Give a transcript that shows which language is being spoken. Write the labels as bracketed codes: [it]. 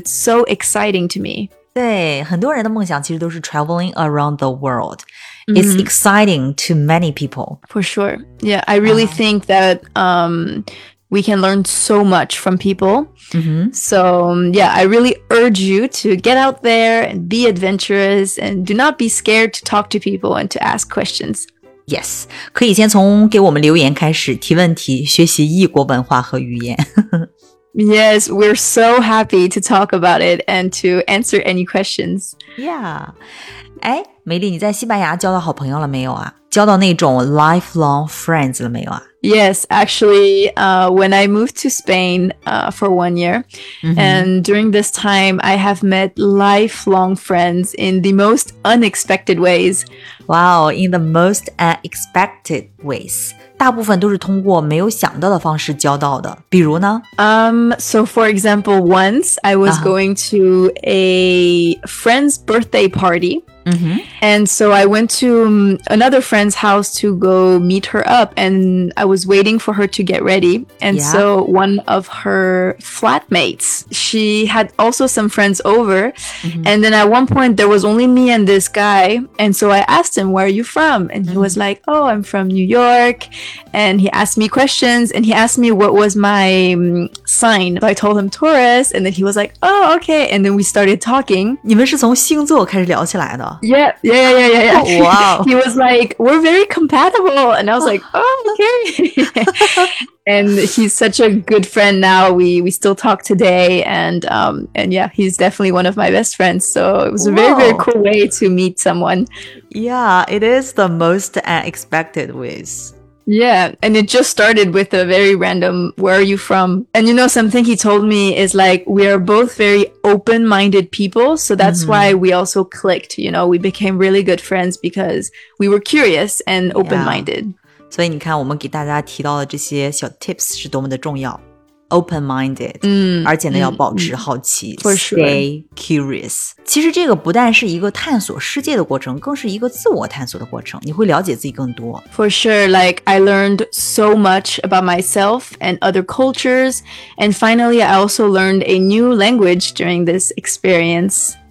[en] It's so exciting to me. [zh] 对，很多人的梦想其实都是 [en] traveling around the world. It's exciting to many people. For sure. Yeah, I really think that... We can learn so much from people. So, yeah, I really urge you to get out there and be adventurous and do not be scared to talk to people and to ask questions. [zh] Yes, 可以先从给我们留言开始提问题，学习异国文化和语言。 [en] Yes, we're so happy to talk about it and to answer any questions. Yeah. [zh] 哎，美丽，你在西班牙交到好朋友了没有啊？交到那种 [en] lifelong friends [zh] 了没有啊？ [en] Yes, actually, when I moved to Spain for 1 year, and during this time, I have met lifelong friends in the most unexpected ways. Wow, in the most unexpected ways. [zh] 大部分都是通过没有想到的方式交到的。比如呢？ [en] So for example, once I was going to a friend's birthday party. And so I went to another friend's house to go meet her up, and I was waiting for her to get ready. And so one of her flatmates, she had also some friends over. And then at one point, there was only me and this guy. And so I asked him, where are you from? And he was like, oh, I'm from New York. And he asked me questions, and he asked me what was my sign. So I told him Taurus, and then he was like, oh, okay. And then we started talking. [zh] 你们是从星座开始聊起来的。 [en] Yeah. Oh, wow. He was like, we're very compatible. And I was like, oh, okay. And he's such a good friend now. We still talk today. And yeah, he's definitely one of my best friends. So it was a very, very cool way to meet someone. Yeah, it is the most unexpected ways. Yeah. And it just started with a very random, where are you from? And you know, something he told me is like, we are both very open-minded people. So that's why we also clicked, you know, we became really good friends because we were curious and open-minded. [zh] Yeah. 所以你看我们给大家提到的这些小 tips 是多么的重要。 open-minded、而且呢要保持好奇、 [en] for sure. stay curious [zh] 其实这个不但是一个探索世界的过程更是一个自我探索的过程你会了解自己更多 [en] for sure like I learned so much about myself and other cultures and finally I also learned a new language during this experience